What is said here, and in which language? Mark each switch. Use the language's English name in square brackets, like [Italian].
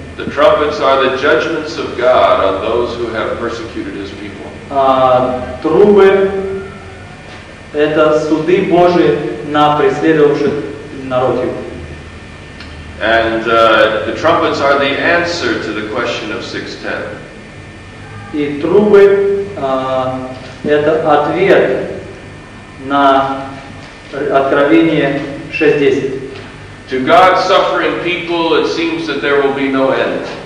[English] The trumpets are the judgments of God on those who have persecuted His people. [Russian] Трубы это суды Божьи на преследовавших народ Его. [English] And the trumpets are the answer to the question of 6:10. [Russian] И трубы это ответ на Откровение 6:10. [English] To God's suffering people, it seems that there will be no end.